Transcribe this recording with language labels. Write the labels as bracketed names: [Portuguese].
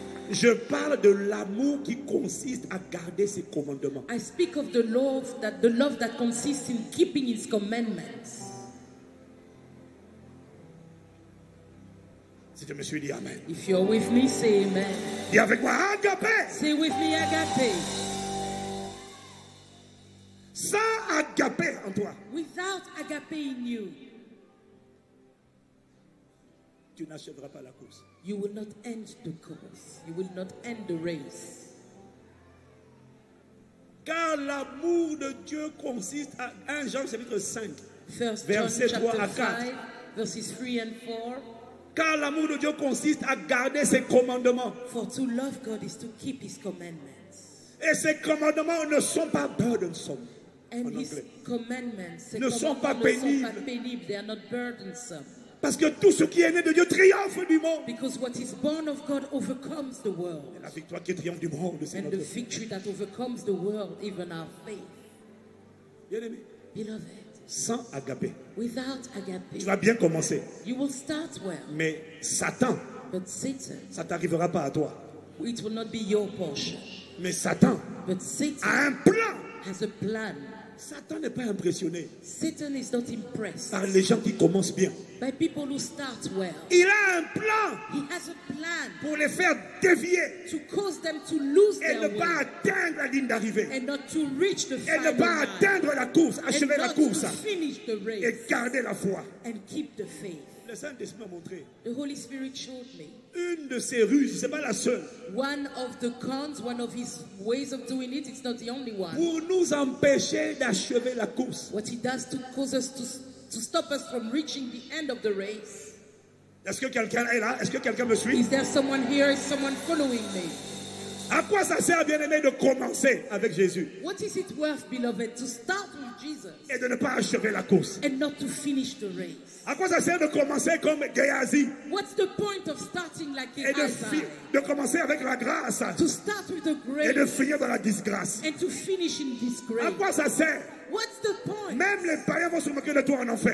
[French] Je parle de l'amour qui consiste à garder ses commandements. [English] I speak of the love that consists in keeping his commandments. [French] Si tu me suis dit amen. [English] If you're with me, say amen. [French] Dis avec moi agapé. [English] Say with me agapé. [French] Sans agapé en toi. [English] Without agapé in you. [French] Tu n'achèveras pas la course. [English] You will not end the course. You will not end the race. [French] Car l'amour de Dieu consiste à 1 Jean chapitre 5. [English] First [French] verset 3 à 4. [English] 5, verses 3 and 4. [French] Car l'amour de Dieu consiste à garder ses commandements. [English] For to love God is to keep his commandments. [French] Et ses commandements ne sont pas burdensome. [English] And his commandments, [French] ses commandements ne sont pas pénibles. [English] They are not burdensome. [French] Parce que tout ce qui est né de Dieu triomphe du monde. [English] Because what is born of God overcomes the world. [French] Et la victoire qui triomphe du monde, c'est [English] and [French] notre [English] the victory that overcomes the world, even our faith. [French] Bien-aimé. [English] Beloved. [French] Sans agapé. [English] Without agapé. [French] Tu vas bien commencer. [English] You will start well. [French] Mais Satan. [English] But Satan. [French] Ça t'arrivera pas à toi. [English] It will not be your portion. [French] Mais Satan. [English] But Satan. [French] A un plan. [English] Has a plan. [French] Satan n'est pas impressionné. [English] Satan is not impressed. [French] Par les gens qui commencent bien. [English] By people who start well. [French] Il a un plan. [English] He has a plan. [French] Pour les faire dévier. [English] To cause them to lose their [French] will. Et ne pas atteindre la ligne d'arrivée. [English] And not to reach the final. [French] Et ne pas atteindre la course, achever la course. [English] And not to finish the race. [French] Et garder la foi. [English] And keep the faith. [French] Le Saint-Esprit m'a montré. [English] The Holy Spirit showed me. [French] Une de ses ruses, c'est pas la seule. [English] One of the cons, one of his ways of doing it, it's not the only one. [French] Pour nous empêcher d'achever la course. [English] What he does to cause us to stop us from reaching the end of the race. [French] Est-ce que quelqu'un est là? Est-ce que quelqu'un me suit? [English] Is there someone here? Is someone following me? [French] À quoi ça sert, bien-aimé, de commencer avec Jésus? [English] What is it worth, beloved, to start with Jesus? [French] Et de ne pas achever la course. [English] And not to finish the race. [French] À quoi ça sert de commencer comme Gehazi? [English] What's the point of starting like Gehazi? [French] Et de commencer avec la grâce. [English] To start with the grace. [French] Et de finir dans la disgrâce. [English] And to finish in disgrace. [French] À quoi ça sert? [English] What's the point? [French] Même les païens vont se moquer de toi en enfer.